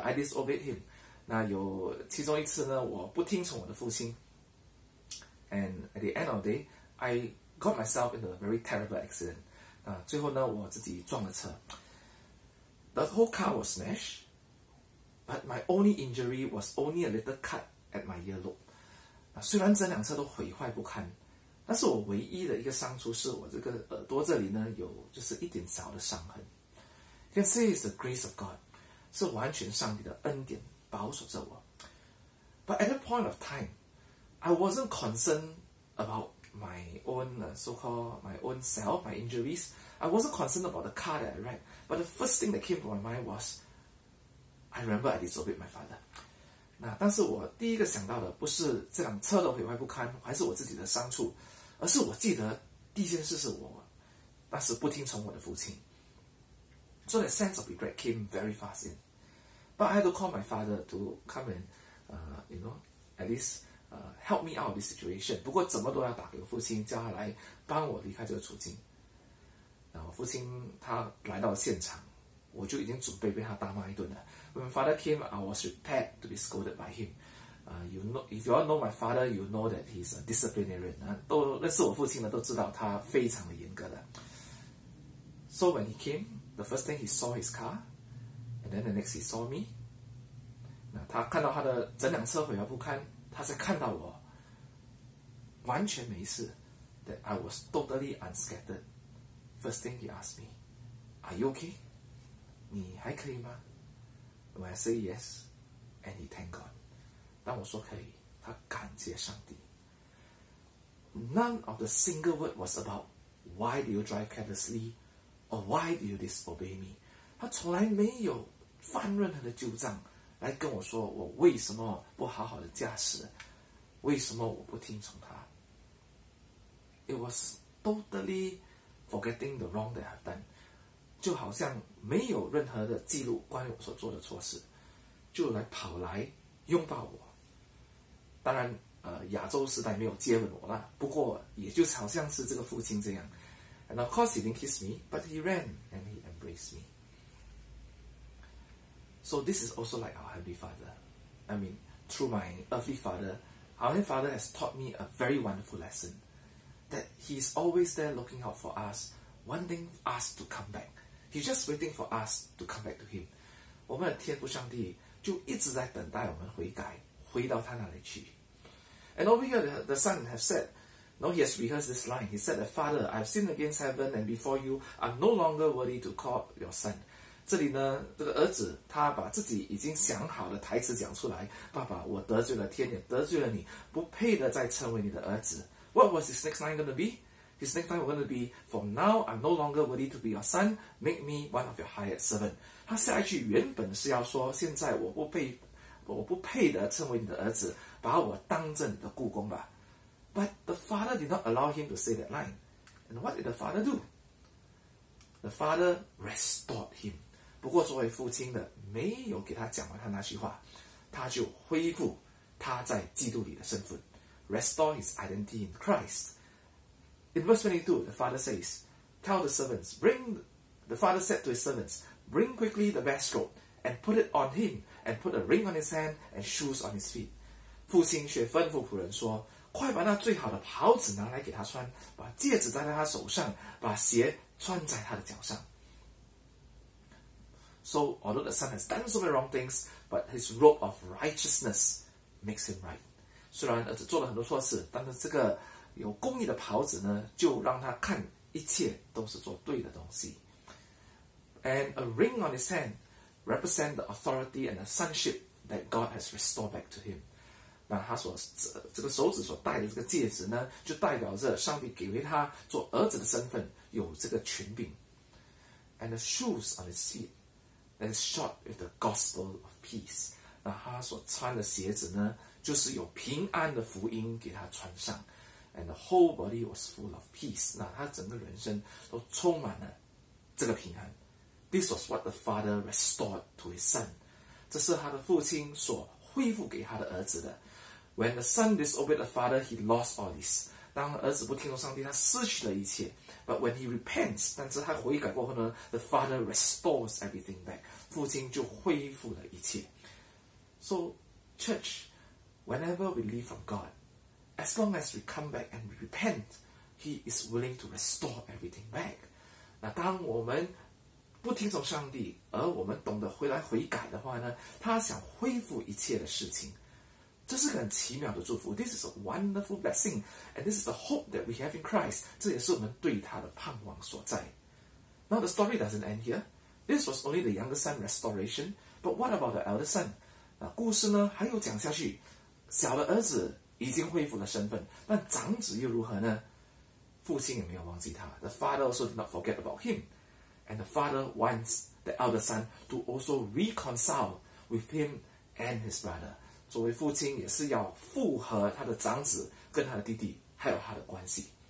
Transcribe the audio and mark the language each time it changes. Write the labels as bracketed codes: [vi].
[en] I disobeyed him. [zh] 那有其中一次呢，我不听从我的父亲。 [en] And at the end of the day, I got myself into a very terrible accident. [zh] 那最后呢，我自己撞了车。 [en] The whole car was smashed, but my only injury was only a little cut at my earlobe. [zh] 那虽然整辆车都毁坏不堪，但是我唯一的一个伤处是我这个耳朵这里呢，有就是一点小的伤痕。 [en] You can see it's the grace of God. [zh] 是完全上帝的恩典保守着我。 [en] But at that point of time, I wasn't concerned about my own self, my injuries. I wasn't concerned about the car that I wrecked. But the first thing that came to my mind was, I remember I disobeyed my father. [zh] 那但是我第一个想到的不是这辆车的毁坏不堪，还是我自己的伤处，而是我记得第一件事是我当时不听从我的父亲。 [en] So the sense of regret came very fast in. But I had to call my father to come and, at least help me out of this situation. [zh] 不过怎么都要打给我父亲，叫他来帮我离开这个处境。然后父亲他来到现场，我就已经准备被他大骂一顿了。 [en] When my father came, I was prepared to be scolded by him. If you all know my father, you know that he's a disciplinarian. [zh] 都认识我父亲的都知道他非常的严格的。 [en] So when he came, the first thing he saw his car,And then the next he saw me. [zh] 那他看到他的整辆车毁坏不堪，他才看到我完全没事。 [en] That I was totally unscathed. First thing he asked me, "Are you okay? [zh] 你还可以吗?" [en] When I say yes, and he thanked God. [zh] 当我说可以，他感谢上帝。 [en] None of the single word was about why do you drive carelessly, or why do you disobey me. [zh] 他从来没有犯任何的旧账来跟我说我为什么不好好的驾驶，为什么我不听从他。 [en] It was totally forgetting the wrong that I've done. [zh] 就好像没有任何的记录关于我所做的错事，就来跑来拥抱我。当然亚洲时代没有接吻我啦，不过也就好像是这个父亲这样。 [en] And of course he didn't kiss me, but he ran and he embraced meSo this is also like our Heavenly Father. I mean, through my earthly father, our Heavenly Father has taught me a very wonderful lesson. That He is always there looking out for us, wanting us to come back. He's just waiting for us to come back to Him. [zh] 我们的天父上帝就一直在等待我们悔改，回到他那里去。 [en] And over here, the son has said, no, he has rehearsed this line. He said, that, Father, I have sinned against heaven and before you, I'm no longer worthy to call your son. [zh] 这里呢，这个儿子他把自己已经想好的台词讲出来，爸爸，我得罪了天，也得罪了你，不配的再称为你的儿子。 [en] What was his next line going to be? His next line was going to be, From now, I'm no longer worthy to be your son. Make me one of your hired servant. [zh] 他下一句原本是要说，现在我不配的称为你的儿子，把我当着你的雇工吧。 [en] But the father did not allow him to say that line. And what did the father do? The father restored him. [zh] 不过作为父亲的没有给他讲完他那句话，他就恢复他在基督里的身份， [en] Restore his identity in Christ. In verse 22, the father says, Tell the servants, bring, the father said to his servants, Bring quickly the best robe and put it on him and put a ring on his hand and shoes on his feet. [zh] 父亲却吩咐仆人说，快把那最好的袍子拿来给他穿，把戒指戴在他手上，把鞋穿在他的脚上。 [en] So although the son has done so many wrong things, but his robe of righteousness makes him right. [zh] 虽然儿子做了很多错事，但是这个有公义的袍子呢，就让他看一切都是做对的东西。 [en] And a ring on his hand represents the authority and the sonship that God has restored back to him. [zh] 那他所这个手指所戴的这个戒指呢，就代表着上帝给予他做儿子的身份，有这个权柄。 [en] And the shoes on his feet that is shod with the gospel of peace. [zh] 那他所穿的鞋子呢，就是有平安的福音给他穿上。 [en] And the whole body was full of peace. [zh] 那他整个人生都充满了这个平安。 [en] This was what the father restored to his son. [zh] 这是他的父亲所恢复给他的儿子的。 [en] When the son disobeyed the father, he lost all this. [zh] 当儿子不听从上帝，他失去了一切。 [en] But when he repents, [zh] 但是他悔改过后呢， [en] the father restores everything back. [zh] 父亲就恢复了一切。 [en] So, church, whenever we leave from God,As long as we come back and repent, He is willing to restore everything back. [zh] 那当我们不听从上帝，而我们懂得回来悔改的话呢，他想恢复一切的事情。这是个很奇妙的祝福。 [en] This is a wonderful blessing, and this is the hope that we have in Christ. [zh] 这也是我们对他的盼望所在。 [en] Now the story doesn't end here. This was only the younger son restoration, but what about the elder son? [zh] 那故事呢还有讲下去。小的儿子已经恢复了身份，但长子又如何呢？父亲也没有忘记他。 [en] The father also did not forget about him. And the father wants the elder son to also reconcile with him and his brother. [zh] 作为父亲也是要复合他的长子跟他的弟弟还有他的关系。